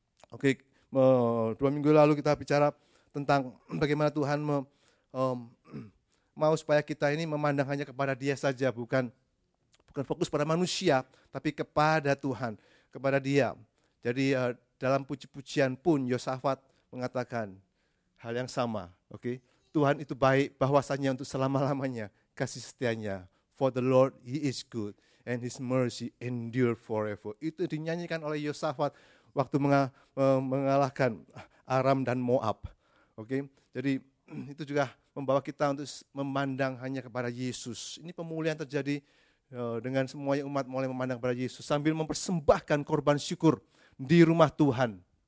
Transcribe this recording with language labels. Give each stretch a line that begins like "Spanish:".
Indonesian: Oke, dua minggu lalu kita bicara tentang bagaimana Tuhan mau supaya kita ini memandang hanya kepada Dia saja, bukan fokus pada manusia, tapi kepada Tuhan, kepada Dia. Jadi dalam puji-pujian pun Yosafat mengatakan hal yang sama. Oke, Tuhan itu baik, bahwasanya untuk selama-lamanya kasih setianya.
English: For the Lord He is good and His mercy endure forever.
Indonesian: Itu dinyanyikan oleh Yosafat waktu mengalahkan Aram dan Moab. Oke, jadi itu juga membawa kita untuk memandang hanya kepada Yesus. Ini pemulihan terjadi dengan semuanya umat mulai memandang kepada Yesus sambil mempersembahkan korban syukur di rumah Tuhan.